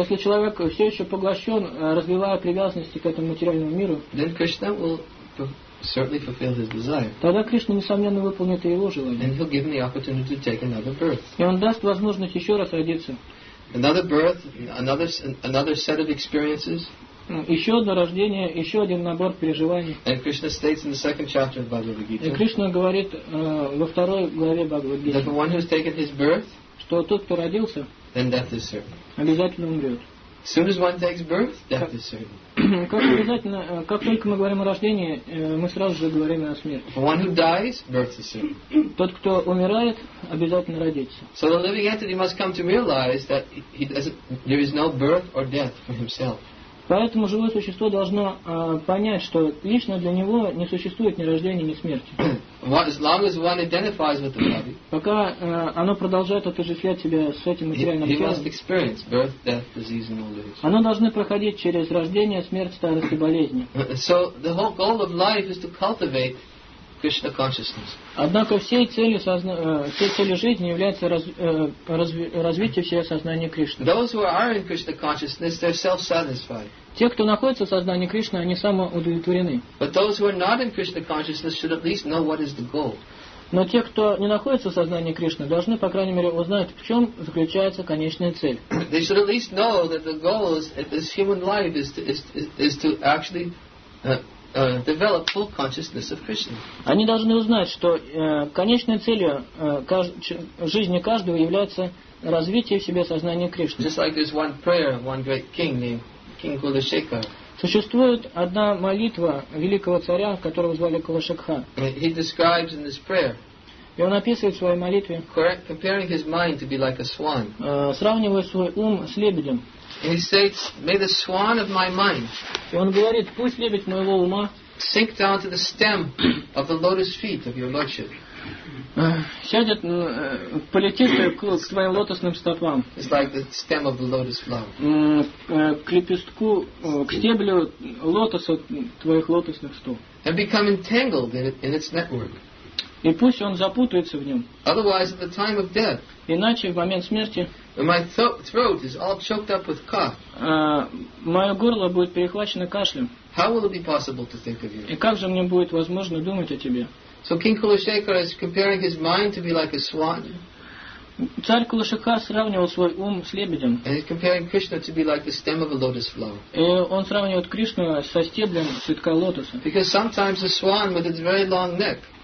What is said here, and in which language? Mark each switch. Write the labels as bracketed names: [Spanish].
[Russian] Если человек все еще поглощен, развивая привязанности к этому материальному миру, [English] then Krishna will certainly fulfill his desire. [Russian] Тогда Кришна несомненно выполнит и его желание. [English] And he'll give him the opportunity to take another birth. [Russian] И он даст возможность еще раз родиться. [English] Another birth, another set of experiences. [Russian] Еще одно рождение, еще один набор переживаний. [English] And Krishna states in the second chapter of Bhagavad Gita. [Russian] И Кришна говорит во второй главе Бхагавад Гиты. [English] That the one who's taken his birth, [Russian] что тот, кто родился, [English] then death is certain. [Russian] Обязательно умрет. [English] As soon as one takes birth, death is certain. [Russian] Как обязательно, как только мы говорим о рождении, мы сразу же говорим о смерти. [English] One who dies, birth is certain. [Russian] Тот, кто умирает, обязательно родится. [English] So the living entity must come to realize that there is no birth or death for himself. [Russian] Поэтому живое существо должно понять, что лично для него не существует ни рождения, ни смерти. [English] As long as one identifies with the body, [Russian] пока оно продолжает отождествлять себя с этим материальным телом, [English] he must experience birth, death, disease, and old age. [Russian] Оно должно проходить через рождение, смерть, старость и болезни. [English] So the whole goal of life is to cultivate Krishna consciousness. [Russian] Однако всей целью жизни является развитие всего сознания Кришны. [English] Those who are in Krishna consciousness, they're self-satisfied. [Russian] Те, кто находится в сознании Кришны, они самоудовлетворены. [English] But those who are not in Krishna consciousness should at least know what is the goal. [Russian] Но те, кто не находится в сознании Кришны, должны, по крайней мере, узнать, в чем заключается конечная цель. [English] They should at least know that the goal of this human life is to actually develop full consciousness of Krishna. [Russian] Они должны узнать, что конечной целью жизни каждого является развитие в себе сознания Кришны. [English] Just like there's one prayer of one great king named King Kulashekar. [Russian] Существует одна молитва великого царя, которого звали Кулашекха. [English] He describes in this prayer. [Russian] И он описывает в своей молитве. [English] Comparing his mind to be like a swan. [Russian] Сравнивая свой ум с лебедем. [English] And he states, "May the swan of my mind." [Russian] И он говорит, пусть лебедь моего ума. [English] Sink down to the stem of the lotus feet of your lordship. [Russian] Сядет, полетит к твоим лотосным стопам. [English] It's like the stem of the lotus flower. [Russian] К лепестку, к стеблю лотоса твоих лотосных стоп. [English] And become entangled in its network. [Russian] И пусть он запутается в нем. [English] Otherwise, at the time of death, [Russian] иначе в момент смерти [English] my throat is all choked up with cough. [Russian] Мое горло будет перехвачено кашлем. [English] How will it be possible to think of you? [Russian] И как же мне будет возможно думать о тебе? [English] So King Kulashekara is comparing his mind to be like a swan. [Russian] Царь Кулашекхара сравнивал свой ум с лебедем. [English] And he's comparing Krishna to be like the stem of a lotus flower. [Russian] И он сравнивает Кришну со стеблем цветка лотоса. [English] Because sometimes a swan with its very long neck.